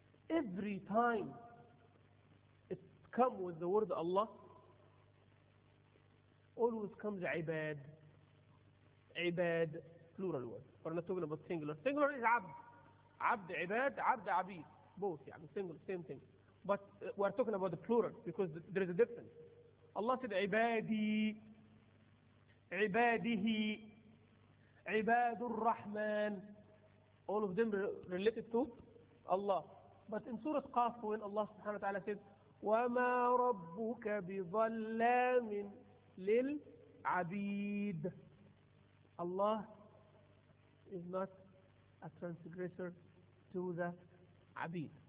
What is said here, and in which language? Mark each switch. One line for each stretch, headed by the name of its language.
English: Every time it comes with the word Allah, always comes عباد. عباد, plural word. We're not talking about singular. Singular is عبد.
Arabic: عبد عباد, عبد عبيد.
English: Both, yeah, single, same thing. But we're talking about the plural because there is a difference. Allah said
Arabic: عبادي, عباده, عباد الرحمن.
English: All of them related to Allah. But in Surah Qaf, when Allah subhanahu wa ta'ala said,
Arabic: وَمَا رَبُّكَ بِظَلَّامٍ لِلْعَبِيدِ.
English: Allah is not a transgressor to the abid.